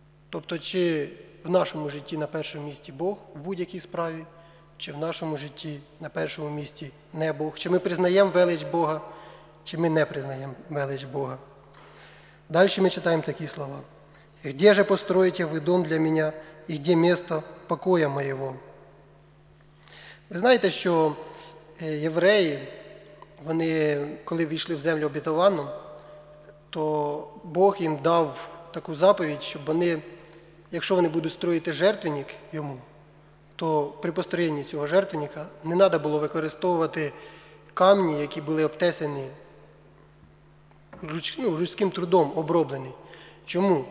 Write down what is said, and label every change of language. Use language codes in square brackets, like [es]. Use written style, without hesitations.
[uk] Тобто, чи в нашому житті на першому місці Бог в будь-якій справі, чи в нашому житті на першому місці не Бог, чи ми признаємо велич Бога, чи ми не признаємо велич Бога. Далі ми читаємо такі слова. [ru] «Где же построите вы дом для меня, и где место покоя моего?» [uk] Ви знаєте, що євреї, вони, коли війшли в землю обітовану, то Бог їм дав таку заповідь, щоб вони, якщо вони будуть строїти жертвенник йому, то при построєнні цього жертвенника не треба було використовувати камні, які були обтесані людським трудом оброблені. Чому?